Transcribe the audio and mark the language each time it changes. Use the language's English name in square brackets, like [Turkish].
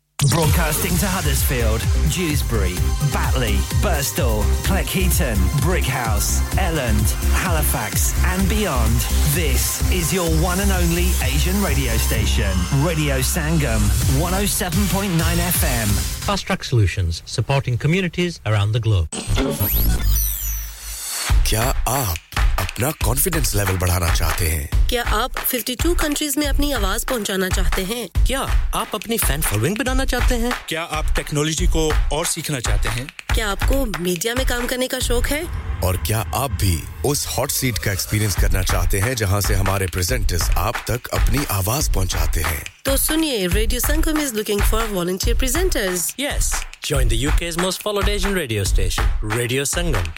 [English] Broadcasting to Huddersfield, Dewsbury, Batley, Birstall, Cleckheaton, Brickhouse, Elland, Halifax and beyond. This is your one and only Asian radio station. Radio Sangam, 107.9 FM. Fast Track Solutions, supporting communities around the globe. [Hindi] क्या आप अपना confidence level बढ़ाना चाहते हैं? Kya aap 52 countries mein apni awaaz pahunchana chahte hain? Kya aap apni fan following banana chahte hain? Kya aap technology ko aur seekhna chahte hain? Kya aapko media mein kaam karne ka shauk hai? और क्या आप भी उस hot seat का experience करना चाहते हैं जहां से हमारे presenters आप तक अपनी आवाज़ पहुंचाते हैं? To suniye, [English] Radio Sangam is looking for volunteer presenters. Yes. Join the UK's most followed Asian radio station, Radio Sangam.